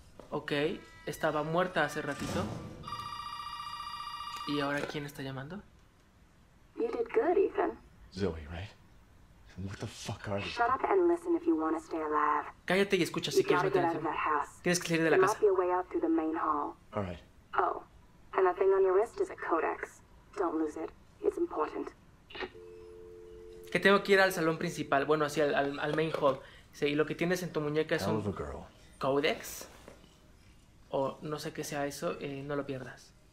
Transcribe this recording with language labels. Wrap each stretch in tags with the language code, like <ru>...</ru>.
<es>Ok, estaba muerta hace ratito. ¿Y ahora quién está llamando?</es> <en>You did good, Ethan. Zoe, right? What the fuck are you? Shut up and listen if you want to stay alive.</en> <es>Cállate y escucha si quieres mantenerte. Tienes que salir de la casa.</es> <en>There must be a way out through the main hall. All right. Oh, and that thing on your wrist is a codex. Don't lose it. It's important.</en> <es>Que tengo que ir al salón principal. Bueno, así al main hall. Sí, y lo que tienes en tu muñeca es un codex. O no sé qué sea eso, no lo pierdas.</es>